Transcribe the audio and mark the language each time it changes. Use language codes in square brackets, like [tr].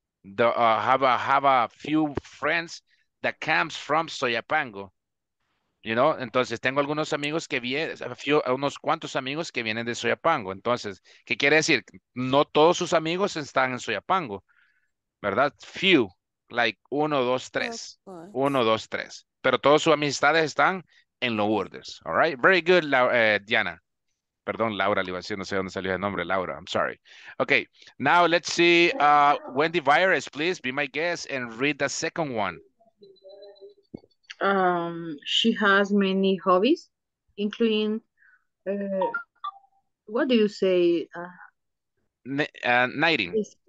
[en] Have a few friends that comes from Soyapango. You know? [es] Entonces tengo algunos amigos que unos cuantos amigos que vienen de Soyapango. Entonces, ¿qué quiere decir? No todos sus amigos están en Soyapango, ¿verdad? [en] Few. Like, 1, 2, 3. 1, 2, 3. [es] Pero todas sus amistades están en Lourdes. [en] All right? Very good, Diana. [es] Perdón, Laura, le iba a decir, no sé dónde salió el nombre. [en] Laura, I'm sorry. Okay, now let's see. Wendy Virus, please be my guest and read the second one. She has many hobbies, including, what do you say? Knitting.